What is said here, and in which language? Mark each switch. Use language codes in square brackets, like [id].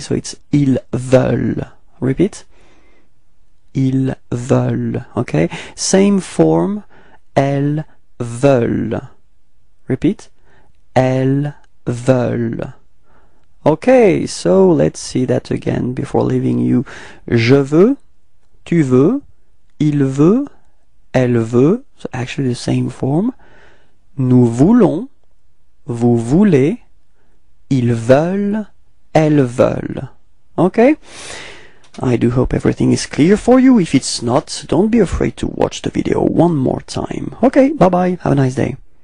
[en] So it's [fr] ils veulent. [en] Repeat. [fr] Ils veulent, [en] okay? Same form, [fr] elles veulent. [en] Repeat. [fr] Elles veulent. [en] Okay, so let's see that again before leaving you. [fr] Je veux, tu veux, il veut, elle veut. [en] So actually the same form. [fr] Nous voulons, vous voulez, ils veulent, elles veulent. [en] Okay? I do hope everything is clear for you. If it's not, don't be afraid to watch the video one more time. Okay, bye bye. Have a nice day.